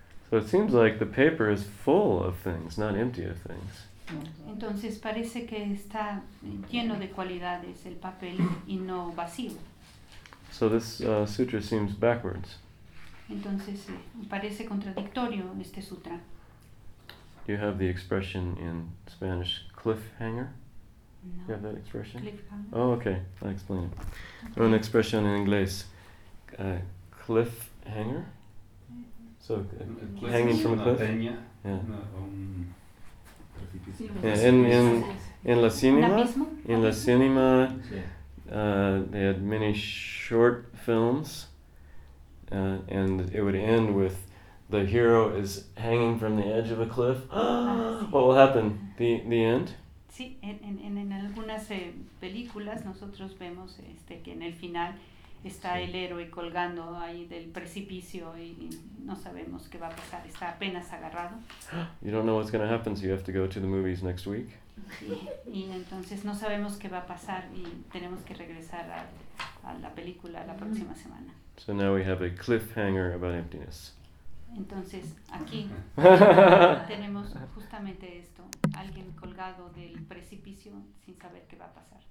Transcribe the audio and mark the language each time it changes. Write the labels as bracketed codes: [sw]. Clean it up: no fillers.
[en] So it seems like the paper is full of things, not empty of things. [es] Entonces parece que está lleno de cualidades el papel y no vacío. [en] So this sutra seems backwards. [es] Entonces parece contradictorio este sutra. [en] Do you have the expression in Spanish, cliffhanger? [es] No. [en] You have that expression? Cliffhanger. Oh, okay. I'll explain it. Okay. An expression in English, cliffhanger? So, cliff hanging from a cliff? [es] Peña. [en] Yeah. No, yeah, in La Cinema, in La Cinema, they had many short films, and it would end with the hero is hanging from the edge of a cliff. What will happen? The end? [es] Sí, en algunas películas nosotros vemos que en el final está el héroe colgando ahí del precipicio y no sabemos qué va a pasar, está apenas agarrado. [en] You don't know what's going to happen, so you have to go to the movies next week. [es] Y entonces no sabemos qué va a pasar y tenemos que regresar a la película la próxima semana. [en] So now we have a cliffhanger about emptiness. [es] Entonces aquí tenemos justamente esto, alguien colgado del precipicio sin saber qué va a pasar.